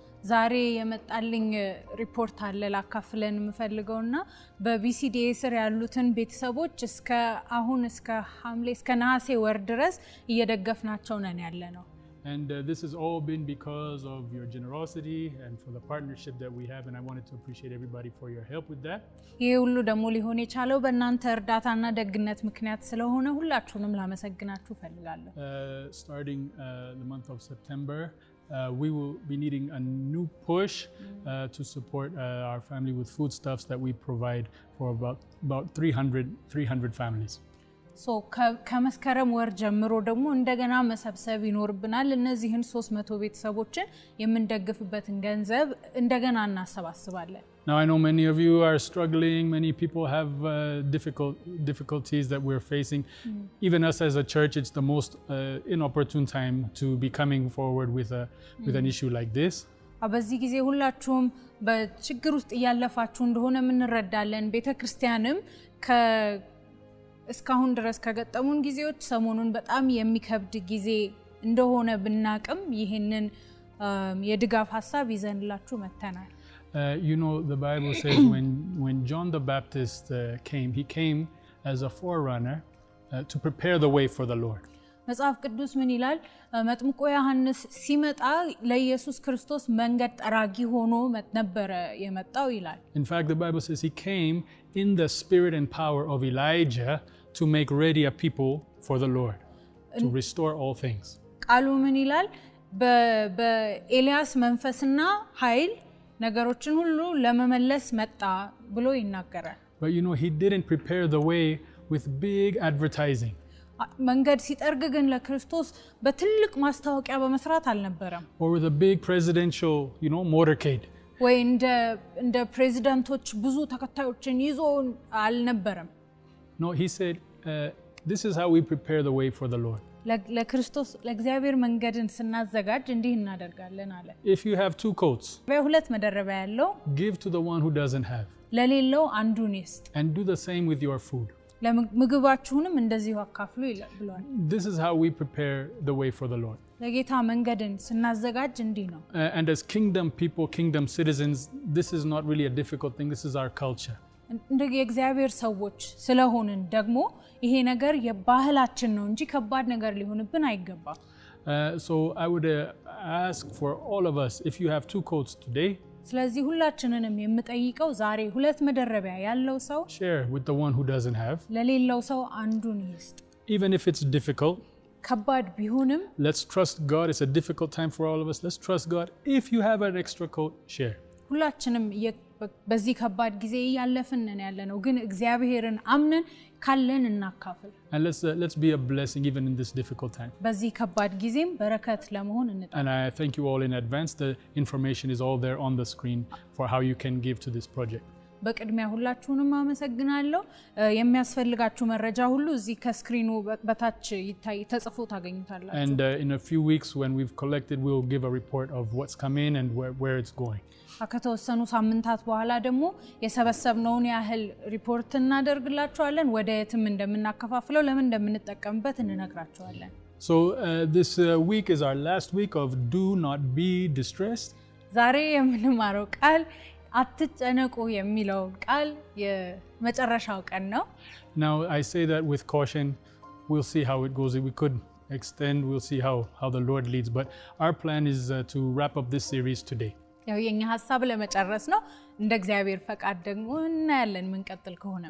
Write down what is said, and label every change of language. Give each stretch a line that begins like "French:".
Amharic: ዛሬ የመጣልኝ ሪፖርት አለ ላካፍለን ምፈልገውና በBCDA ስር ያሉትን ቤተሰቦች እስከ አሁን እስከ ሐምሌ እስከ ነሐሴ ወር ድረስ እየደገፍናቸው ነን ያለነው.
English: And this has all been because of your generosity and for the partnership that we have, and I wanted to appreciate everybody for your help with that.
Amharic: ይሁሉ ደሞ ሊሆን ይቻለው በእናንተ እርዳታና ደግነት ምክንያት ስለሆነ ሁላችሁንም ላመሰግናችሁ ፈልጋለሁ.
English: Starting the month of September, we will be needing a new push to support our family with foodstuffs that we provide for about 300 families.
Amharic: So ከመስከረም ወር ጀምሮ ደግሞ እንደገና መሰብሰብ ይኖርብናል እነዚህን 300 ቤተሰቦችን የምንደግፍበትን ገንዘብ እንደገና እናሰባስባለን.
English: Now I know many of you are struggling, many people have difficulties that we're facing. Even us as a church, it's the most inopportune time to be coming forward with an issue like this.
Amharic: አበዚህ ጊዜ ሁላችሁም በችግር ውስጥ ያለፋችሁ እንደሆነ ምን ረዳለን ቤተክርስቲያንም ከ እስካሁን ድረስ ከገጠሙን ጊዜዎች ሰሞኑን በጣም የሚከብድ ጊዜ እንደሆነ ብናቀም ይሄንን የድጋፍ ሐሳብ ይዘንላችሁ መተናል.
English: You know, the Bible says when John the Baptist came, he came as a forerunner to prepare the way for the Lord.
Amharic: መጽሐፍ ቅዱስ ምን ይላል? መጥምቁ ዮሐንስ ሲመጣ ለኢየሱስ ክርስቶስ መንገድ ጠራጊ ሆኖ መጥነበረ የመጣው ይላል.
English: In fact, the Bible says he came in the spirit and power of Elijah to make ready a people for the Lord, to restore all things.
Amharic: ቃሉ ምን ይላል? በኤልያስ መንፈስና ኃይል ነገሮችን ሁሉ ለመመለስ መጣ ብሎ ይናገራል.
English: But you know, he didn't prepare the way with big advertising.
Amharic: መንገድ ሲጠርግ ግን ለክርስቶስ በትልቅ ማስታወቂያ በመስራት አልነበረም.
English: Or with a big presidential, you know, motorcade.
Amharic: ወይ እንደ ፕሬዝዳንቶች ብዙ ተከታዮችን ይዞ አልነበረም.
English: No, he said, this is how we prepare the way for the Lord.
Amharic: ለክርስቶስ ለእግዚአብሔር መንገድን ስናዘጋጅ እንዲህ እናደርጋለን አለ.
English: If you have two coats,
Amharic: በሁለት መደረቢያ ያለው
English: give to the one who doesn't have.
Amharic: ለሌለው አንዱን ይስጥ.
English: And do the same with your food.
Amharic: ለምግባችሁንም እንደዚሁ አካፍሉ ብሏል.
English: This is how we prepare the way for the Lord.
Amharic: ለጌታ መንገድን ስናዘጋጅ እንዲህ ነው.
English: And as kingdom people, kingdom citizens, this is not really a difficult thing. This is our culture.
Amharic: እንደዚህ የእግዚአብሔር ሰዎች ስለሆንን ደግሞ ይሄ ነገር የባህላችን ነው እንጂ ከባድ ነገር ሊሆንብን አይገባም.
English: So I would ask for all of us, if you have two coats today,
Amharic: ስለዚህ ሁላችንንም የምጠይቀው ዛሬ ሁለት መደረቢያ ያለው ሰው
English: share with the one who doesn't have.
Amharic: ለሌለው ሰው አንዱን ይስጥ.
English: Even if it's difficult,
Amharic: ከባድ ቢሆንም
English: let's trust God. It's a difficult time for all of us. Let's trust God. If you have an extra coat, share.
Amharic: ሁላችንም በዚህ ከባድ ጊዜ ያለፈን እና ያለነው ግን እግዚአብሔርን አምነን ካለን እናካፍል.
English: And let's be a blessing even in this difficult time.
Amharic: በዚህ ከባድ ጊዜም በረከት ለመሆን እንጣ.
English: And I thank you all in advance. The information is all there on the screen for how you can give to this project.
Amharic: በቅድሚያ ሁላችሁንም አመሰግናለሁ. የሚያስፈልጋችሁ መረጃ ሁሉ እዚህ ከስክሪኑ በታች ይታይ ተጽፎ ታገኙታላችሁ.
English: And in a few weeks when we've collected, we'll give a report of what's coming and where it's going.
Amharic: ከተወሰኑ ሳምንታት በኋላ ደግሞ የሰበሰብነውን ያህል ሪፖርት እናደርግላችኋለን ወደ የትም እንደምናከፋፍለው ለምን እንደምንጠቀምበት እንነግራችኋለን.
English: So this week is our last week of Do Not Be Distressed.
Amharic: ዛሬ የምንማረው ቃል አትጨነቁ የሚለው ቃል የመጨረሻው ቀን ነው።
English: Now I say that with caution. We'll see how it goes. We could extend, we'll see how the Lord leads, but our plan is to wrap up this series today.
Amharic: ያው የኛ ሐሳብ ለመጨረስ ነው እንደ እግዚአብሔር ፈቃድ ደግሞ እና ያለን ምን ቀጥል ከሆነ